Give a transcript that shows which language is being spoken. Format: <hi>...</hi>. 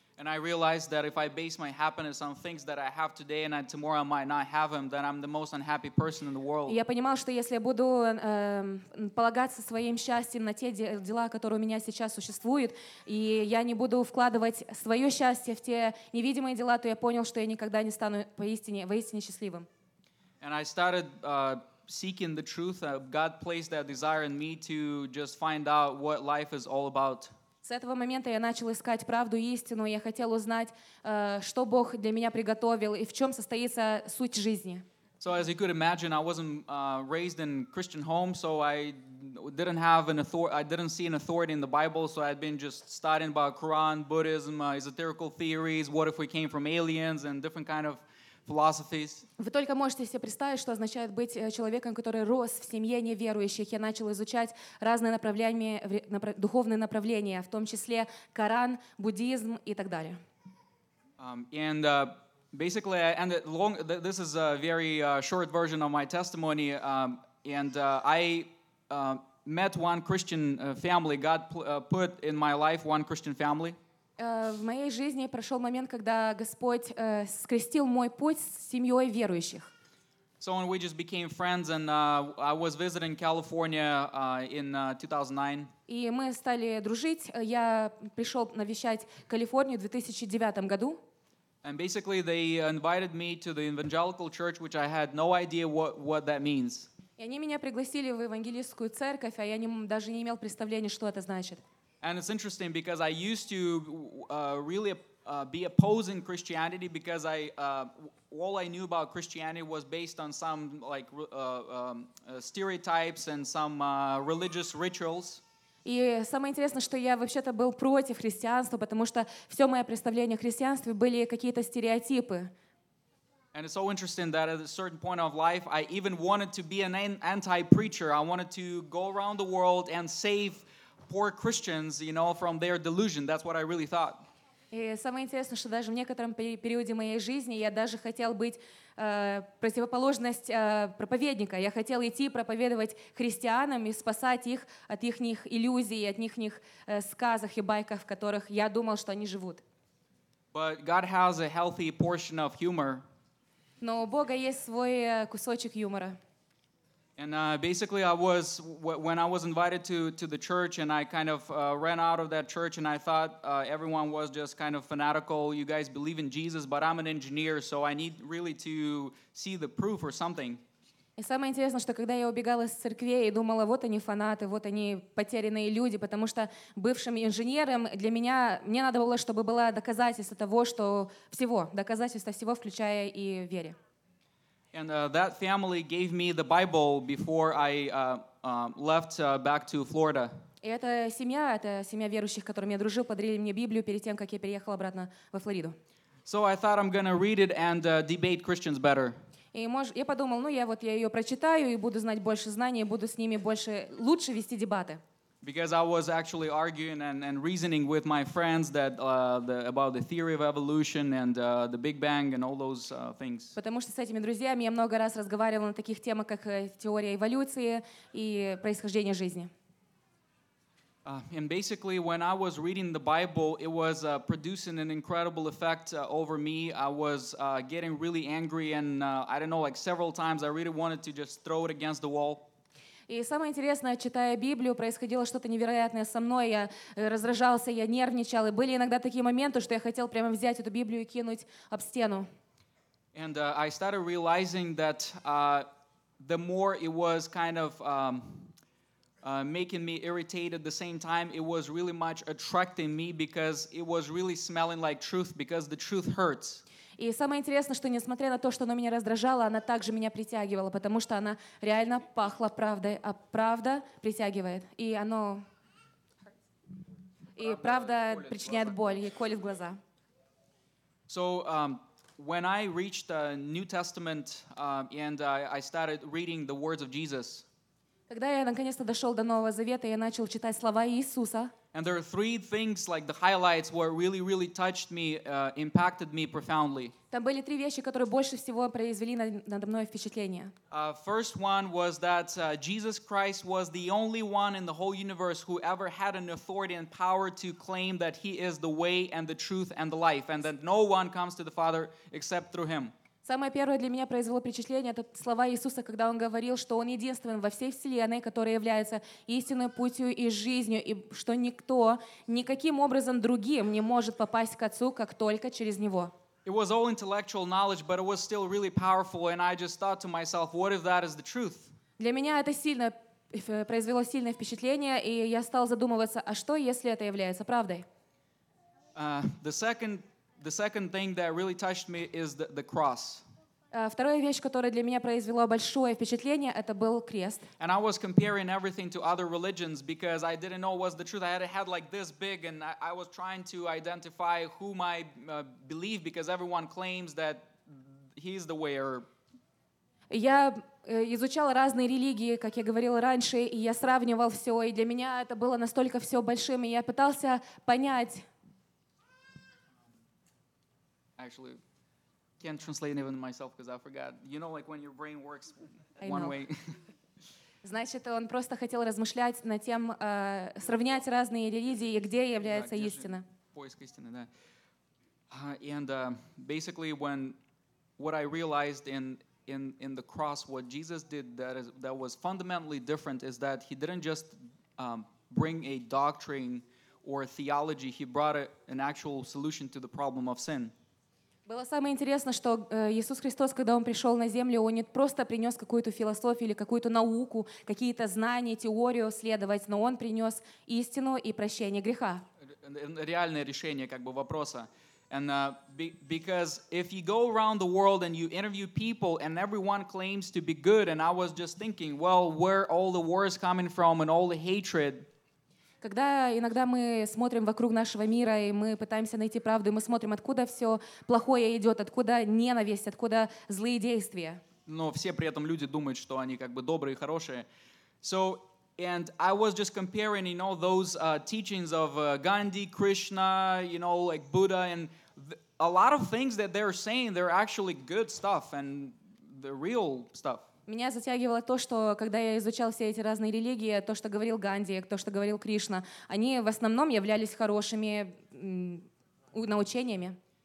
<en>And I realized that if I base my happiness on things that I have today and tomorrow I might not have them, then I'm the most unhappy person in the world.</en> <ru>Я понимал, что если я буду полагаться своим счастьем на те дела, которые у меня сейчас существуют, и я не буду вкладывать свое счастье в те невидимые дела, то я понял, что я никогда не стану воистине счастливым.</ru> <en>And I started seeking the truth. God placed that desire in me to just find out what life is all about.</en> <ru>С этого момента я начал искать правду и истину. Я хотел узнать, что Бог для меня приготовил и в чем состоится суть жизни.</ru> <en>So, as you could imagine, I wasn't raised in Christian home, so I didn't have an authority. I didn't see an authority in the Bible, so I'd been just studying about Quran, Buddhism, esoterical theories. What if we came from aliens and different kind of philosophies.</en> <ru>Вы только можете себе представить, что означает быть человеком, который рос в семье неверующих. Я начал изучать разные направления, духовные направления, в том числе Коран, буддизм и так далее.</ru> <en>And basically, and long, this is a very short version of my testimony. I met one Christian family. God put in my life one Christian family.</en> <ru>В моей жизни прошел момент, когда Господь скрестил мой путь с семьей верующих.</ru> <en>So we just became friends, and I was visiting California in 2009.</en> <ru>И мы стали дружить. Я пришел навещать Калифорнию в 2009 году.</ru> <en>And basically they invited me to the evangelical church, which I had no idea what that means.</en> <ru>И они меня пригласили в евангелистскую церковь, а я даже не имел представления, что это значит.</ru> <en>And it's interesting because I used to really be opposing Christianity because I all I knew about Christianity was based on some like stereotypes and some religious rituals.</en> <ru>И самое интересное, что я вообще-то был против христианства, потому что все мое представление о христианстве были какие-то стереотипы.</ru> <en>And it's so interesting that at a certain point of life, I even wanted to be an anti-preacher. I wanted to go around the world and save poor Christians, you know, from their delusion. That's what I really thought.</en> <ru>И самое интересное, что даже в некотором периоде моей жизни я даже хотел быть противоположность проповедника. Я хотел идти проповедовать христианам и спасать их от ихних иллюзий, от ихних сказок и байков, в которых я думал, что они живут.</ru> <en>But God has a healthy portion of humor.</en> <ru>Но у Бога есть свой кусочек юмора.</ru> <en>And basically, I was when I was invited to the church, and I kind of ran out of that church, and I thought everyone was just kind of fanatical. You guys believe in Jesus, but I'm an engineer, so I need really to see the proof or something.</en> <ru>И самое интересное, что когда я убегала из церкви и думала, вот они фанаты, вот они потерянные люди, потому что бывшим инженером для меня мне надо было, чтобы было доказательство того, что всего, доказательство всего, включая и вере.</ru> <en>And that family gave me the Bible before I left back to Florida.</en> <ru>И эта семья верующих, с которыми я дружил, подарили мне Библию перед тем, как я переехал обратно во Флориду.</ru> <en>So I thought I'm going to read it and debate Christians better.</en> <ru>И я подумал, ну я ее прочитаю и буду знать больше знаний, буду с ними больше лучше вести дебаты.</ru> <en>Because I was actually arguing and reasoning with my friends that about the theory of evolution and the Big Bang and all those things.</en> <ru>Потому что с этими друзьями я много раз разговаривал на таких темах, как теория эволюции и происхождение жизни.</ru> <en>And basically, when I was reading the Bible, it was producing an incredible effect over me. I was getting really angry, and I don't know, like several times, I really wanted to just throw it against the wall.</en> <ru>И самое интересное, читая Библию, происходило что-то невероятное со мной. Я раздражался, я нервничал, и были иногда такие моменты, что я хотел прямо взять эту Библию и кинуть об стену.</ru> <en>And I started realizing that the more it was kind of making me irritated, at the same time, it was really much attracting me because it was really smelling like truth, because the truth hurts.</en> <ru>И самое интересное, что несмотря на то, что она меня раздражала, она также меня притягивала, потому что она реально пахла правдой, а правда притягивает. И оно... И правда причиняет боль, и колет глаза.</ru> <en>So, when I reached the New Testament, and I started reading the words of Jesus,</en> <ru>когда я наконец-то дошел до Нового Завета, я начал читать слова Иисуса.</ru> <en>And there are three things, like the highlights, were really, really touched me, impacted me profoundly.</en> <ru>Там были три вещи, которые больше всего произвели надо мной впечатление.</ru> <en>First one was that Jesus Christ was the only one in the whole universe who ever had an authority and power to claim that he is the way and the truth and the life, and that no one comes to the Father except through him.</en> <ru>Самое первое для меня произвело впечатление — это слова Иисуса, когда Он говорил, что Он единственный во всей вселенной, который является истинной путью и жизнью, и что никто, никаким образом другим не может попасть к Отцу, как только через Него.</ru> <en>It was all intellectual knowledge, but it was still really powerful, and I just thought to myself, what if that is the truth?</en> <ru>Для меня это сильно произвело сильное впечатление, и я стал задумываться, а что, если это является правдой?</ru> <en>The second thing that really touched me is the cross.</en> <ru>Вторая вещь, которая для меня произвела большое впечатление, это был крест.</ru> <en>And I was comparing everything to other religions because I didn't know was the truth. I had a head like this big, and I was trying to identify whom I believe because everyone claims that he's the way.</en> <ru>Я изучала разные религии, как я говорила раньше, и я сравнивал все, и для меня это было настолько все большим, и я пытался понять.</ru> <en>Actually, can't translate even myself because I forgot. You know, like when your brain works one way.</en> <ru>Значит, он просто хотел размышлять над тем, сравнять разные религии и где является истина. Поиск истины, да.</ru> <en>And basically, when what I realized in the cross, what Jesus did that was fundamentally different is that he didn't just bring a doctrine or a theology. He brought an actual solution to the problem of sin.</en> <ru>Было самое интересное, что Иисус Христос, когда Он пришел на землю, Он не просто принес какую-то философию или какую-то науку, какие-то знания, теорию следовать, но Он принес истину и прощение греха. Реальное решение как бы вопроса.</ru> <en>And because if you go around the world and you interview people and everyone claims to be good, and I was just thinking, well, where all the wars coming from and all the hatred?</en> <ru>Когда иногда мы смотрим вокруг нашего мира и мы пытаемся найти правду, и мы смотрим, откуда все плохое идет, откуда ненависть, откуда злые действия. Но все при этом люди думают, что они как бы добрые и хорошие.</ru> <en>So, and I was just comparing, you know, those teachings of Gandhi, Krishna, you know, like Buddha, and a lot of things that they're saying, they're actually good stuff and the real stuff.</en> <ru>Меня затягивало то, что когда я изучал все эти разные религии, то, что говорил Ганди, то, что говорил Кришна, они в основном являлись хорошими научениями.</ru>